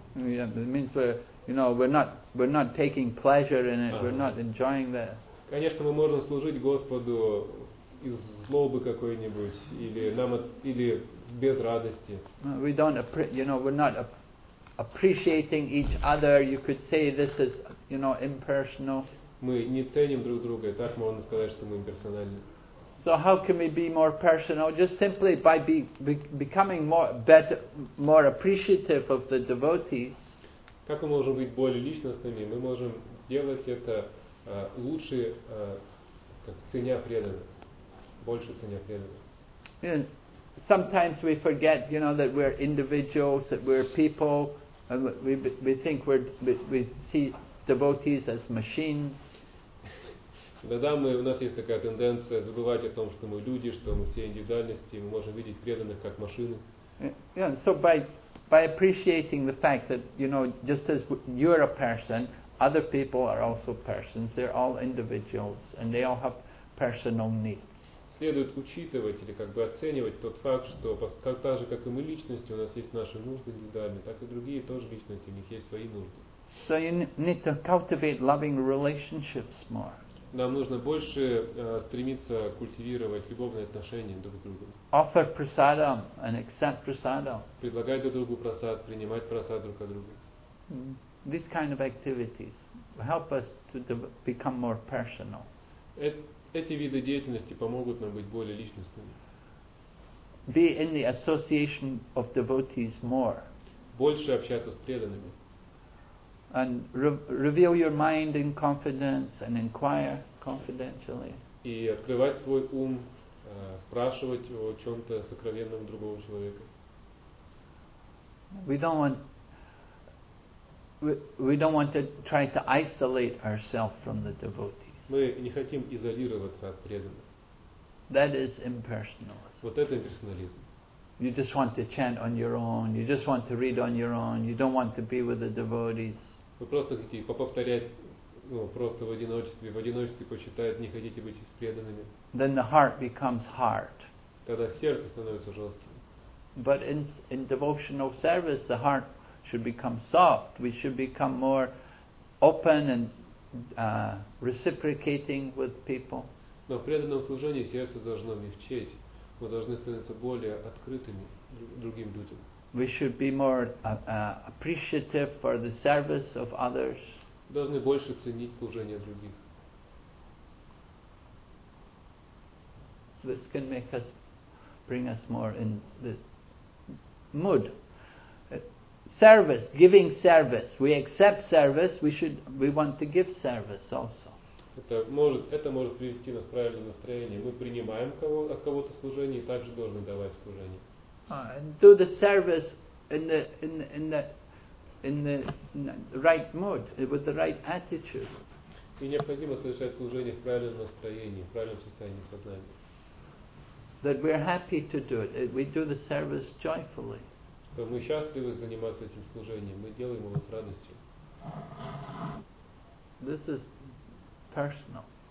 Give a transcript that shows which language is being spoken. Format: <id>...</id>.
<en>Yeah, it means we're not taking pleasure in it. Uh-huh. We're not enjoying that.</en> <ru>Конечно, мы можем служить Господу из злобы какой-нибудь или без радости.</ru> <en>Appreciating each other, you could say this is, you know, impersonal.</en> <ru>Мы не ценим друг друга, и так можно сказать, что мы имперсональны.</ru> <en>So how can we be more personal? Just simply by becoming more appreciative of the devotees.</en> <ru>Как мы можем быть более личностными? Мы можем сделать это лучше, как ценя преданных, больше ценя преданных.</ru> <en>Sometimes we forget, you know, that we're individuals, that we're people, and we think we see devotees as machines.</en> <ru>Иногда у нас есть такая тенденция забывать о том, что мы люди, что мы все индивидуальности, мы можем видеть преданных как машины.</ru> <en>Yeah, so by appreciating the fact that, you know, just as you're a person, other people are also persons. They're all individuals, and they all have personal needs.</en> <ru>Следует учитывать или как бы оценивать тот факт, что так же, как и мы личности, у нас есть наши нужды индивидуальные, так и другие тоже личности, у них есть свои нужды.</ru> <en>So you need to cultivate loving relationships more.</en> <ru>Нам нужно больше стремиться культивировать любовные отношения друг с другом.</ru> <en>Offer prasadam and accept prasadam.</en> <ru>Предлагать друг другу прасад, принимать прасад друг от друга.</ru> <en>These kind of activities help us to become more personal.</en> <ru>Эти виды деятельности помогут нам быть более личностными.</ru> <en>Be in the association of devotees more.</en> <ru>Больше общаться с преданными.</ru> <en>And reveal your mind in confidence and inquire confidentially.</en> <ru>И открывать свой ум, спрашивать о чем-то сокровенном другого человека.</ru> <en>We don't want to try to isolate ourselves from the devotees.</en> <ru>Мы не хотим изолироваться от преданных.</ru> <en>That is impersonalism.</en> <ru>Вот это имперсонализм.</ru> <en>You just want to chant on your own. You just want to read on your own. You don't want to be with the devotees.</en> <ru>Вы просто хотите поповторять, ну, просто в одиночестве почитать, не хотите быть с преданными.</ru> <en>Then the heart becomes hard.</en> <ru>Тогда сердце становится жестким.</ru> <en>But in devotional service, the heart should become soft. We should become more open and reciprocating with people.</en> <ru>Но в преданном служении сердце должно мягчеть. Мы должны становиться более открытыми другим людям.</ru> <en>We should be more appreciative for the service of others.</en> <ru>Должны больше ценить служение других.</ru> <en>This can make us bring us more in the mood. Service, giving service. We accept service. We want to give service also.</en> <ru>Это может привести нас в правильное настроение. Мы принимаем от кого-то служение и также должны давать служение.</ru> <en>Do the service in the right mood, with the right attitude.</en> <ru>И необходимо совершать служение в правильном настроении, в правильном состоянии сознания.</ru> <en>That we are happy to do it. We do the service joyfully.</en> <ru>Что мы счастливы заниматься этим служением, мы делаем его с радостью.</ru> <en>This is personal.</en>